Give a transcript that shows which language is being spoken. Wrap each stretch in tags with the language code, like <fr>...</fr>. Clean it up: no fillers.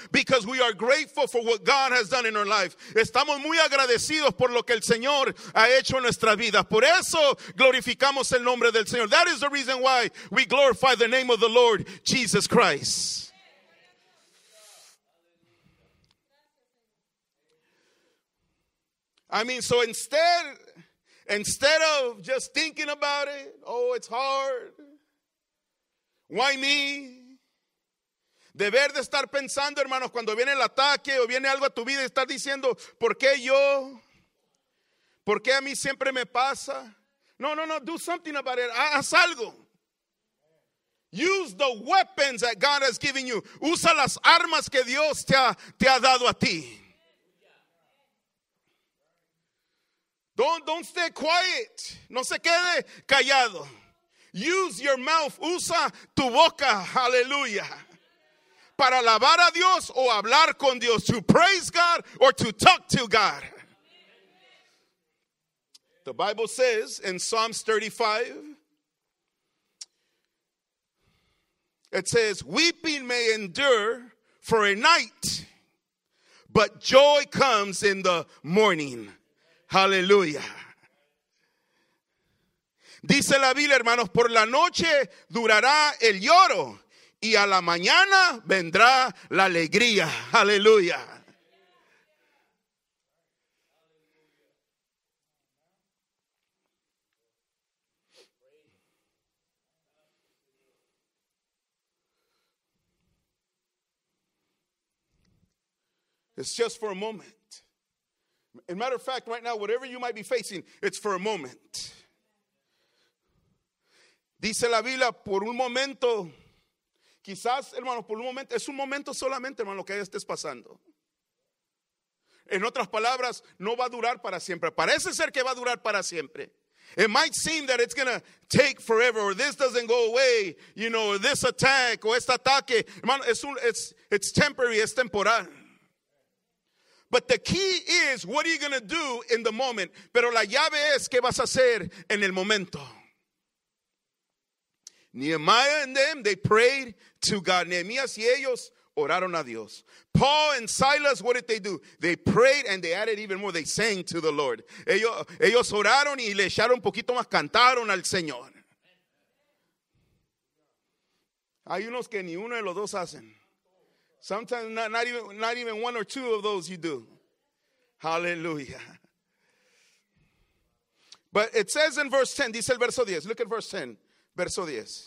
<en>Because we are grateful for what God has done in our life.</en> <es>Estamos muy agradecidos por lo que el Señor ha hecho en nuestra vida. Por eso glorificamos el nombre del Señor.</es> <en>That is the reason why we glorify the name of the Lord Jesus Christ. I mean, so Instead of just thinking about it, oh, it's hard. Why me?</en> <es>Deber de estar pensando, hermanos, cuando viene el ataque o viene algo a tu vida, estar diciendo, ¿por qué yo? ¿Por qué a mí siempre me pasa? No,</es> <en>do something about it.</en> <es>Haz algo.</es> <en>Use the weapons that God has given you.</en> <es>Usa las armas que Dios te ha dado a ti.</es> <en>Don't stay quiet.</en> <es>No se quede callado.</es> <en>Use your mouth.</en> <es>Usa tu boca.</es> <en>Hallelujah.</en> <es>Para alabar a Dios o hablar con Dios.</es> <en>To praise God or to talk to God. The Bible says in Psalms 35. It says, weeping may endure for a night, but joy comes in the morning. Hallelujah.</en> <es>Dice la Biblia, hermanos, por la noche durará el lloro y a la mañana vendrá la alegría.</es> <en>Hallelujah. It's just for a moment. As a matter of fact, right now, whatever you might be facing, it's for a moment.</en> <es>Dice la Biblia, por un momento, quizás, hermano, por un momento, es un momento solamente, hermano, lo que estés pasando. En otras palabras, no va a durar para siempre. Parece ser que va a durar para siempre.</es> <en>It might seem that it's going to take forever, or this doesn't go away, you know, or this attack,</en> <es>o este ataque.</es> <en>Hermano, it's temporary,</en> <es>es temporal.</es> <en>But the key is, what are you going to do in the moment?</en> <es>Pero la llave es, ¿qué vas a hacer en el momento?</es> <en>Nehemiah and them, they prayed to God. Nehemiah</en> <es>y ellos oraron a Dios.</es> <en>Paul and Silas, what did they do? They prayed and they added even more. They sang to the Lord.</en> <es>Ellos oraron y le echaron un poquito más, cantaron al Señor. Hay unos que ni uno de los dos hacen.</es> <en>Sometimes not even one or two of those you do. Hallelujah. But it says in verse 10,</en> <es>dice el verso 10.</es> <en>Look at verse 10,</en> <es>verso 10.</es>